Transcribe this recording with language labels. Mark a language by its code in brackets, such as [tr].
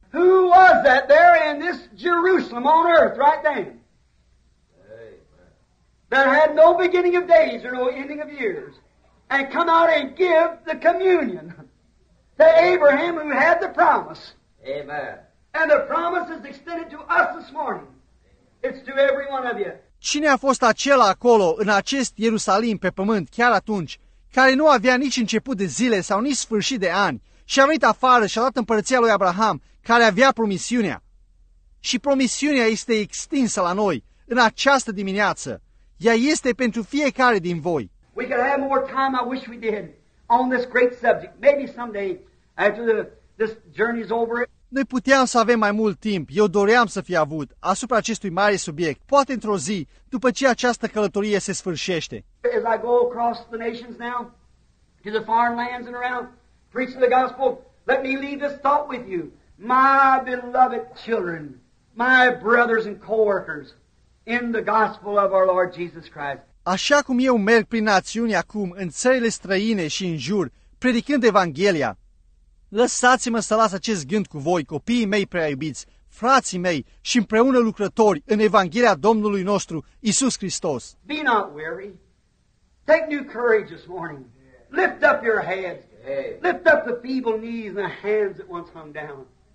[en] Who was that there in this Jerusalem on earth right then? That had no beginning of days or no ending of years. And come out and give the communion to Abraham who had the promise. Amen. And the promise is extended to us this morning. It's to every one of you. [ro] Cine a fost acela acolo, în acest Ierusalim pe pământ, chiar atunci, care nu avea nici început de zile sau nici sfârșit de ani, și a venit afară și a dat împărăția lui Abraham, care avea promisiunea? Și promisiunea este extinsă la noi, în această dimineață. Ea este pentru fiecare din voi. [en] We could have more time, I wish we did, on this great subject. Maybe someday, after this journey's over. [ro] Noi puteam să avem mai mult timp, eu doream să fi avut, asupra acestui mare subiect, poate într-o zi, după ce această călătorie se sfârșește. [en] As I go across the nations now, to the foreign lands and around, preaching the gospel, let me leave this thought with you. My beloved children, my brothers and co-workers, in the gospel of our Lord Jesus Christ. [ro] Așa cum eu merg prin națiuni acum, în țările străine și în jur, predicând Evanghelia, lăsați-mă să las acest gând cu voi, copiii mei prea iubiți, frații mei și împreună lucrători în Evanghelia Domnului nostru, Iisus Hristos. [en] Be not weary. Take new courage this morning. Lift up your heads. Lift up the feeble knees and the hands that once hung down.